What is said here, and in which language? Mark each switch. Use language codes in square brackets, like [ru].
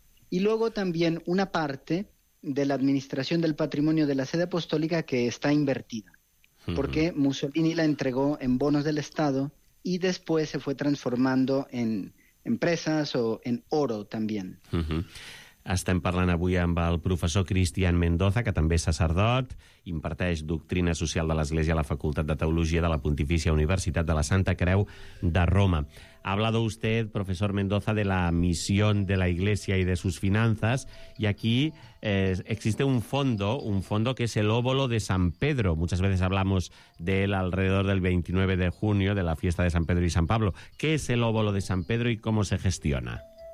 [es] Y luego también una parte de la administración del patrimonio de la sede apostólica que está invertida, porque Mussolini la entregó en bonos del Estado y después se fue transformando en empresas o en oro también. [ca] Estem parlant avui amb el professor Cristian Mendoza, que també és sacerdot, imparteix doctrina social de l'Església a la Facultat de Teologia de la Pontifícia Universitat de la Santa Creu de Roma. [es] Ha hablado usted, profesor Mendoza, de la misión de la Iglesia y de sus finanzas, y aquí existe un fondo que es el óbolo de San Pedro. Muchas veces hablamos de él alrededor del 29 de junio, de la fiesta de San Pedro y San Pablo. ¿Qué es el óbolo de San Pedro y cómo se gestiona?